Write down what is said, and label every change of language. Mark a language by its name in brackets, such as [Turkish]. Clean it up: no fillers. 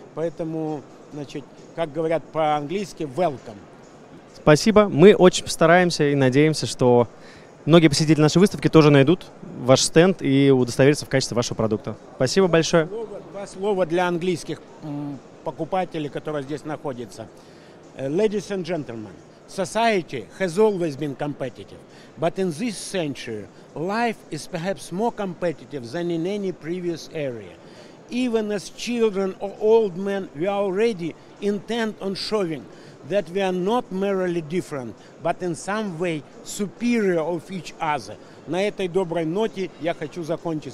[Russian] Поэтому, значит, как говорят по-английски, welcome. Спасибо, мы очень постараемся и надеемся, что многие посетители нашей выставки тоже найдут ваш стенд и удостоверятся в качестве вашего продукта. Спасибо большое. Два слова для английских покупателей, которые здесь находятся. [English] Ladies and gentlemen, society has always been competitive, but in this century, life is perhaps more competitive than in any previous area. Even as children or old men, we are already intent on showing that we are not merely different, but in some way superior of each other. [Russian] На этой доброй ноте я хочу закончить.